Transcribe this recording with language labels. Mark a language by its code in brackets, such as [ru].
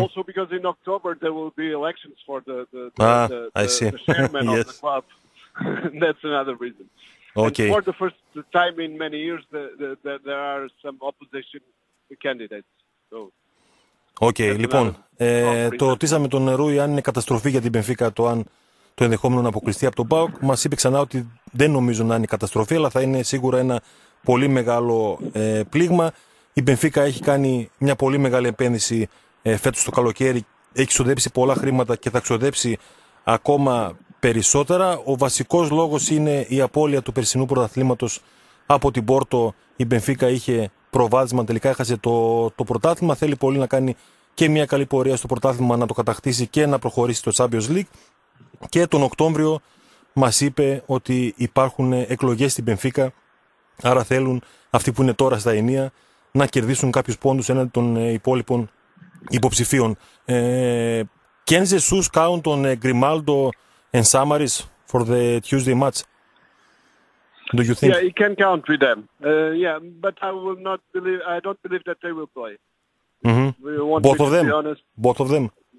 [en] Also because in October there will be elections for the chairman yes. of the club. That's another reason. Okay. And for the first time in many years, the there are some opposition candidates. So. Okay. [el] Λοιπόν, το ρωτήσαμε τον Ρούι αν είναι καταστροφή για την Μπενφίκα το αν το ενδεχόμενο να αποκλειστεί από τον ΠΑΟΚ. Μας είπε ξανά ότι δεν νομίζω να είναι καταστροφή, αλλά θα είναι σίγουρα ένα πολύ μεγάλο πλήγμα. Η Μπενφίκα έχει κάνει μια πολύ μεγάλη επένδυση φέτος το καλοκαίρι, έχει ξοδέψει πολλά χρήματα και θα ξοδέψει ακόμα περισσότερα. Ο βασικός λόγος είναι η απώλεια του περσινού πρωταθλήματος από την Πόρτο. Η Μπενφίκα είχε προβάδισμα, τελικά έχασε το πρωτάθλημα. Θέλει πολύ να κάνει και μια καλή πορεία στο πρωτάθλημα, να το κατακτήσει και να προχωρήσει στο Champions League. Και τον Οκτώβριο μας είπε ότι υπάρχουν εκλογές στην Μπενφίκα, άρα θέλουν αυτοί που είναι τώρα στα ενία να κερδίσουν κάποιους πόντους έναντι των υπόλοιπων υποψηφίων. [en] Can Jesus count on Grimaldo and Samaris for the Tuesday match? Do you think? Yeah, he can count with them. Yeah, but I don't believe that they will play. Mm-hmm. Both of them.